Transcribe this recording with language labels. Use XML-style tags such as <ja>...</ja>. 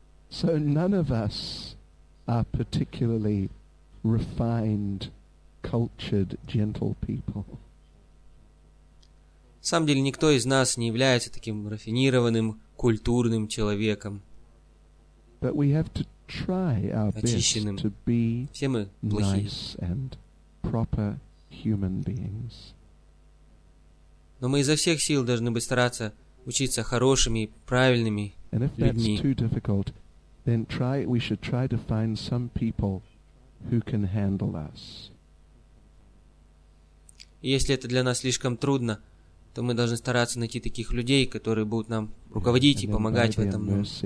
<en>So none of us are particularly refined. Cultured gentle people.</en> <ru>На самом деле, никто из нас не является таким рафинированным, культурным человеком.</ru> <en>But we have to try our best to be nice and proper human beings.</en> <ru>Но мы изо всех сил должны быть стараться учиться хорошими и правильными людьми.</ru> <en>And if that's too difficult, then we should try to find some people who can handle us.</en> <ru>Если это для нас слишком трудно, то мы должны стараться найти таких людей, которые будут нам руководить и помогать в этом.</ru>